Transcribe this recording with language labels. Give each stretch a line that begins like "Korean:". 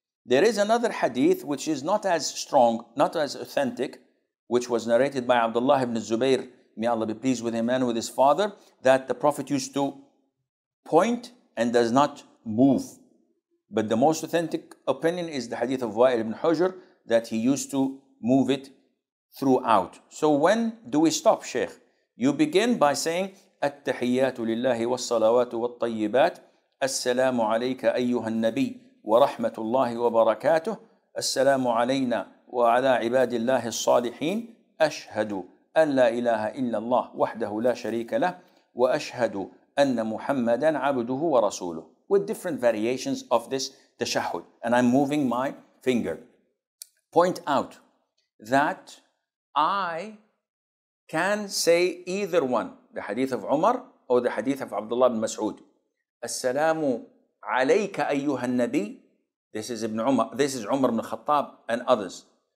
English: There is another hadith which is not as strong, not as authentic, which was narrated by Abdullah ibn Zubayr, may Allah be pleased with him and with his father, that the Prophet used to point and does not move. But the most authentic opinion is the hadith of Wa'il ibn Hujr, that he used to move it throughout. So when do we stop, Shaykh? You begin by saying,
Arabic: التحيات لله والصلوات والطيبات السلام عليك أيها النبي ورحمة الله وبركاته السلام علينا وعلى عباد الله الصالحين أشهد أن لا إله إلا الله وحده لا شريك له وأشهد أن محمدا عبده ورسوله.
English: With different variations of this tashahud, and I'm moving my finger. Point out that I can say either one, the hadith of Umar or the hadith of Abdullah ibn Mas'ud.
Arabic: As-salamu alayka ayyuha an-nabi.
English: This is Ibn Umar, this is Umar ibn Khattab and others.